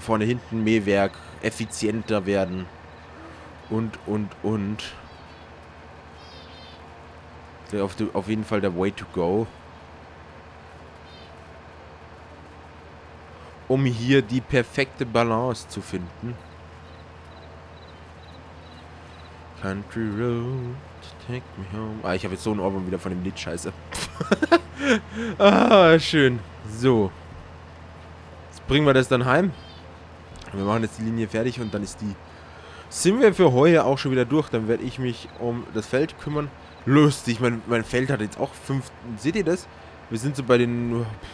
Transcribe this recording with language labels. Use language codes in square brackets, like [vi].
[de] Vorne, hinten, Mähwerk, effizienter werden. Und. Auf jeden Fall der [en] Way to go. [de] Um hier die perfekte Balance zu finden. [en] Country Road, take me home. [de] Ah, ich habe jetzt so ein Ohrwurm wieder von dem Lied, scheiße. Ah, schön. So. Jetzt bringen wir das dann heim. Wir machen jetzt die Linie fertig und dann ist die... Sind wir für heute auch schon wieder durch, dann werde ich mich um das Feld kümmern. Lustig, mein Feld hat jetzt auch 5... Seht ihr das? Wir sind so bei den...